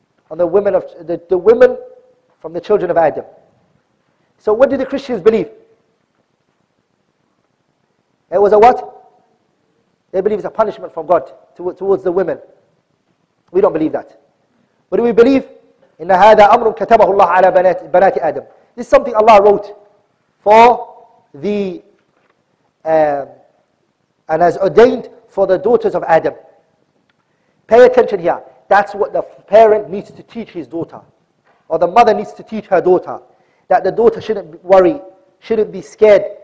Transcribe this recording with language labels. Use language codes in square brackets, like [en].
[en] On the women of the women from the children of Adam. So what did the Christians believe? It was a what? They believe it's a punishment from God towards the women. We don't believe that. What do we believe? [ar] إن هذا أمر كتبه الله على بنات آدم. [en] This is something Allah wrote for the and has ordained for the daughters of Adam. Pay attention here. That's what the parent needs to teach his daughter, or the mother needs to teach her daughter, that the daughter shouldn't worry, shouldn't be scared.